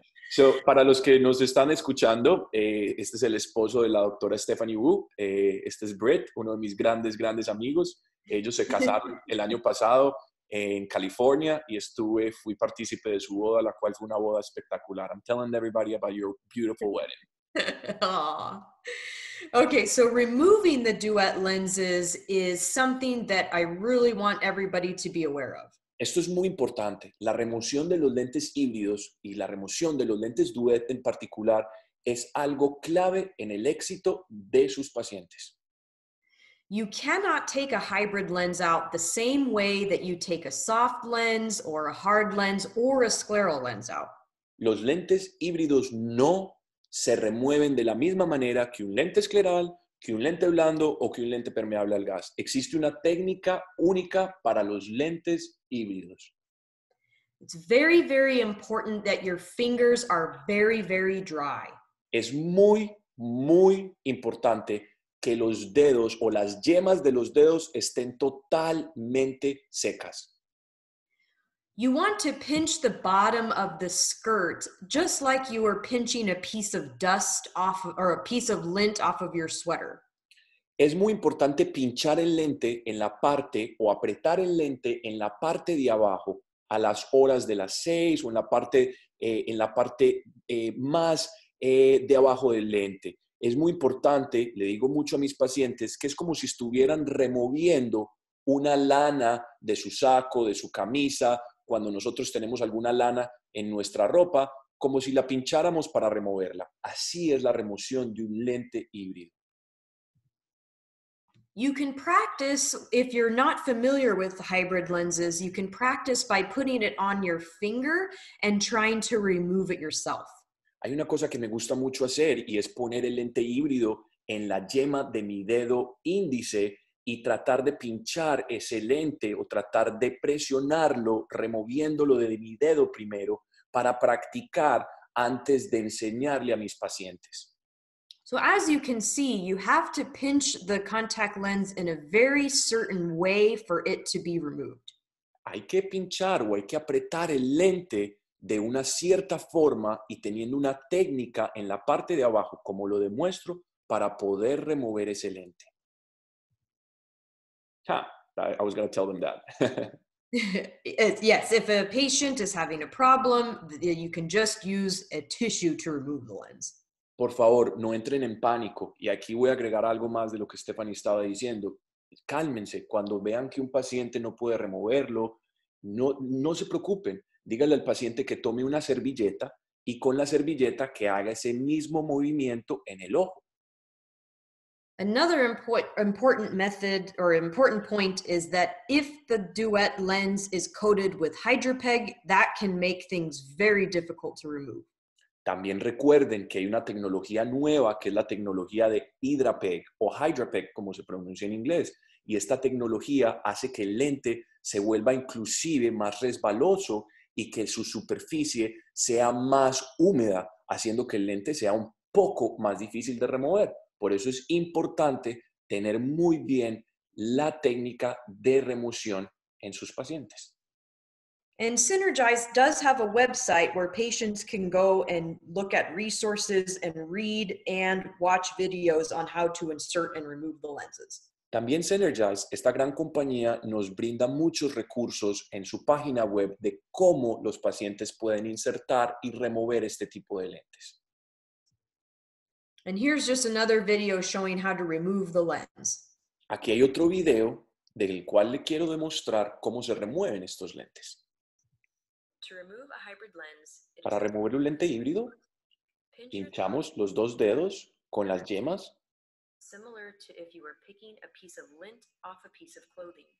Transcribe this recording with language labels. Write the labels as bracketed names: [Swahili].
[Spanish] So, para los que nos están escuchando, este es el esposo de la doctora Stephanie Wu. Este es Britt, uno de mis grandes, grandes amigos. Ellos se casaron el año pasado en California, y fui partícipe de su boda, la cual fue una boda espectacular. [English] I'm telling everybody about your beautiful wedding. Okay, so removing the duet lenses is something that I really want everybody to be aware of. [Spanish] Esto es muy importante. La remoción de los lentes híbridos y la remoción de los lentes duet en particular es algo clave en el éxito de sus pacientes. [English] You cannot take a hybrid lens out the same way that you take a soft lens or a hard lens or a scleral lens out. [Spanish] Los lentes híbridos no se remueven de la misma manera que un lente escleral, que un lente blando o que un lente permeable al gas. Existe una técnica única para los lentes híbridos. [English] It's very, very important that your fingers are very, very dry. [Spanish] Es muy, muy importante que los dedos o las yemas de los dedos estén totalmente secas. [English] You want to pinch the bottom of the skirt just like you are pinching a piece of dust off or a piece of lint off of your sweater. [Spanish] Es muy importante pinchar el lente en la parte o apretar el lente en la parte de abajo a las horas de las 6 o en la parte más de abajo del lente. Es muy importante, le digo mucho a mis pacientes, que es como si estuvieran removiendo una lana de su saco, de su camisa, cuando nosotros tenemos alguna lana en nuestra ropa, como si la pincháramos para removerla. Así es la remoción de un lente híbrido. [English] You can practice, if you're not familiar with hybrid lenses, you can practice by putting it on your finger and trying to remove it yourself. [Spanish] Hay una cosa que me gusta mucho hacer y es poner el lente híbrido en la yema de mi dedo índice y tratar de pinchar ese lente o tratar de presionarlo removiéndolo de mi dedo primero para practicar antes de enseñarle a mis pacientes. [English] So as you can see, you have to pinch the contact lens in a very certain way for it to be removed. [Spanish] Hay que pinchar o hay que apretar el lente de una cierta forma y teniendo una técnica en la parte de abajo, como lo demuestro, para poder remover ese lente. [English] I was going to tell them that. Yes, if a patient is having a problem, you can just use a tissue to remove the lens. [Spanish] Por favor, no entren en pánico. Y aquí voy a agregar algo más de lo que Stephanie estaba diciendo. Cálmense. Cuando vean que un paciente no puede removerlo, no se preocupen. Díganle al paciente que tome una servilleta y con la servilleta que haga ese mismo movimiento en el ojo. [English] Another important method or important point is that if the duet lens is coated with hydropeg, that can make things very difficult to remove. [Spanish] También recuerden que hay una tecnología nueva que es la tecnología de hidropeg o hydropeg, como se pronuncia en inglés. Y esta tecnología hace que el lente se vuelva inclusive más resbaloso y que su superficie sea más húmeda, haciendo que el lente sea un poco más difícil de remover. Por eso es importante tener muy bien la técnica de remoción en sus pacientes. [English] And Synergize does have a website where patients can go and look at resources and read and watch videos on how to insert and remove the lenses. [Spanish] También Synergize, esta gran compañía, nos brinda muchos recursos en su página web de cómo los pacientes pueden insertar y remover este tipo de lentes. [English] And here's just another video showing how to remove the lens. [Spanish] Aquí hay otro video del cual le quiero demostrar cómo se remueven estos lentes. [English] To remove a hybrid lens, [Spanish] para remover un lente híbrido, pinchamos los dos dedos con las yemas, [English] similar to if you were picking a piece of lint off a piece of clothing.